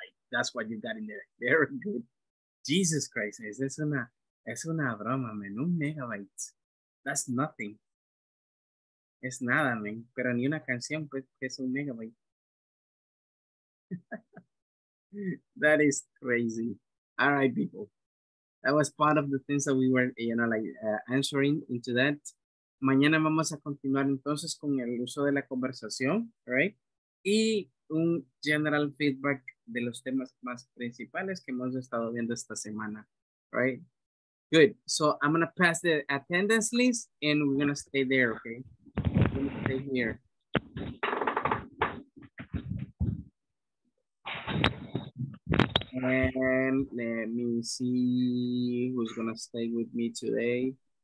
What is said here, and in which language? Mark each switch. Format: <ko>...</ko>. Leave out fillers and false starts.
<en>That's what you got in there. Very good. Jesus Christ,</en> <es>es una broma,</es> <en>man. 1 megabyte. That's nothing.</en> <es>Es nada,</es> <en>man.</en> <es>Pero ni una canción, pues, es 1 megabyte.</es> <en>That is crazy. All right, people. That was part of the things that we were, you know, like answering into that.</en> <es>Mañana vamos a continuar entonces con el uso de la conversación, right? Y un</es> <en>general feedback</en> <es>de los temas más principales que hemos estado viendo esta semana, right?</es> <en>Good. So I'm going to pass the attendance list and we're going to stay there, okay? We're going to stay here. And let me see who's going to stay with me today.</en>